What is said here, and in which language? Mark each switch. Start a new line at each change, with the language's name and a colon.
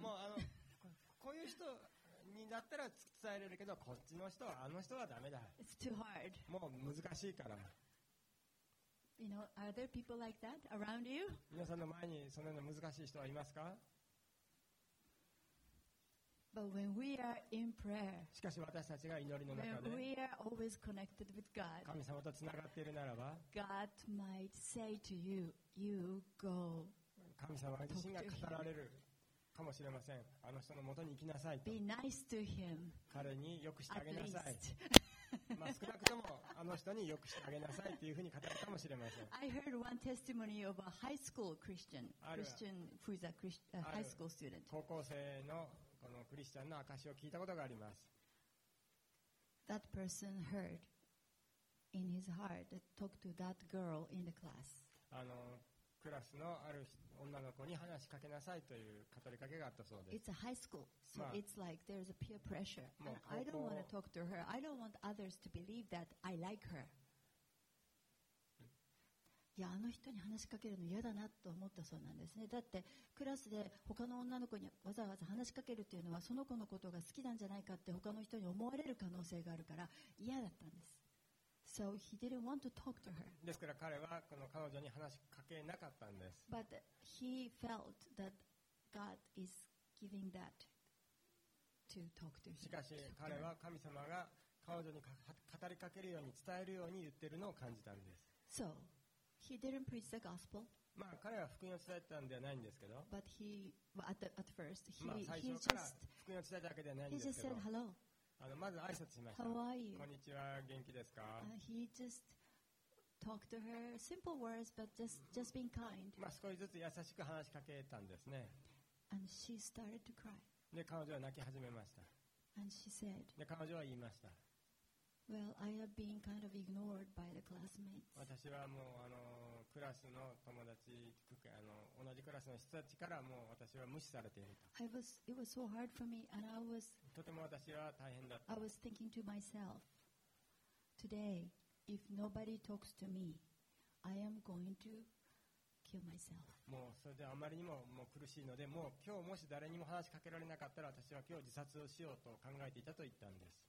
Japanese: もうあのこういう人になったら伝えれるけど、こっちの人はあの人はダメだ。
English: It's too hard.
Japanese: もう難しいから。
English: You know, are there people like that around you?
Japanese: 皆さんの前にそのような難しい人はいますか？
English: But when we are in prayer,
Japanese: しかし私たちが祈りの中で、
English: when we are always connected with God,
Japanese: 神様とつながっているならば、
English: God might say to you, you go.
Japanese: 神様自身が語られるかもしれません。あの人の元に行きなさいと。
English: Be nice to him.
Japanese: 彼に良くしてあげなさい。まあ少なくともあの人に良くしてあげなさいというふうに語るかもしれません。
English: I heard one testimony of a high school Christian who is a high school student.
Japanese: 高校生のこのクリスチャンの証を聞いたことがあります。
English: That person heard in his heart that talked to that girl in the class.
Japanese: あのクラスのある女の子に話しかけなさいという語りかけがあったそうです。
English: It's a high school, so it's like there's a peer pressure. I don't want to talk to her. I don't want others to believe that I like her.
Japanese: いや、あの人に話しかけるの嫌だなと思ったそうなんですね。だってクラスで他の女の子にわざわざ話しかけるっていうのはその子のことが好きなんじゃないかって他の人に思われる可能性があるから嫌だったんです。
English: So he didn't want to talk to her.
Japanese: ですから彼はこの彼女に話しかけなかったんです。
English: But he felt that God is giving that to talk to her.
Japanese: しかし彼は神様が彼女に語りかけるように伝えるように言ってるのを感じたんです。
English: So He didn't preach the gospel.
Japanese: まあ彼は福音を伝えたんではないんですけど。
English: But he, well, at first, he,
Japanese: まあ最初から福音を伝えたわけではないんですけど。
English: He just said hello.
Japanese: あのまず挨拶しました。
English: How are you?
Japanese: こんにちは、元気ですか。
English: He just talked to her simple words, but just being kind.
Japanese: まあ少しずつ優しく話しかけたんですね。
English: And she started to cry.
Japanese: で彼女は泣き始めました。
English: And she said.
Japanese: で彼女は言いました。
English: Well, I have been kind of ignored by the classmates.
Japanese: 私はもうあのクラスの友達、あの同じクラスの人たちからもう私は無視されていると。
English: It was so hard for me, and I was.
Japanese: とても私は大変だった。
English: I was thinking to myself, today, if nobody talks to me, I am going to kill myself.
Japanese: もうそれであまりにももう苦しいので、もう今日もし誰にも話しかけられなかったら私は今日自殺をしようと考えていたと言ったんです。